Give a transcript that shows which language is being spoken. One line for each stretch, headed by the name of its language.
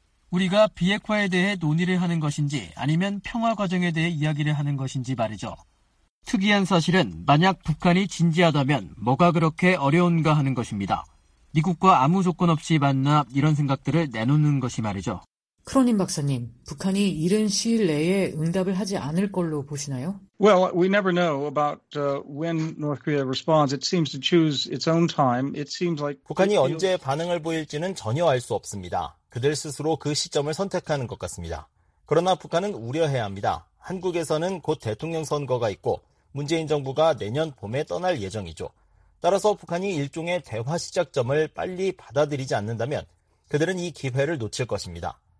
Korean: 우리가 비핵화에 대해 논의를 하는 것인지 아니면 평화 과정에 대해 이야기를 하는 것인지 말이죠. 특이한 사실은 만약 북한이 진지하다면 뭐가 그렇게 어려운가 하는 것입니다. 미국과 아무 조건 없이 만나 이런 생각들을 내놓는 것이 말이죠. 크로닌 박사님, 북한이 이른 시일 내에 응답을 하지 않을 걸로 보시나요?
English: Well, we never know about when North Korea responds. It seems to choose its own time. It seems like
Korean: 북한이 언제 반응을 보일지는 전혀 알 수 없습니다. 그들 스스로 그 시점을 선택하는 것 같습니다. 그러나 북한은 우려해야 합니다. 한국에서는 곧 대통령 선거가 있고 문재인 정부가 내년 봄에 떠날 예정이죠. 따라서 북한이 일종의 대화 시작점을 빨리 받아들이지 않는다면 그들은 이 기회를 놓칠 것입니다.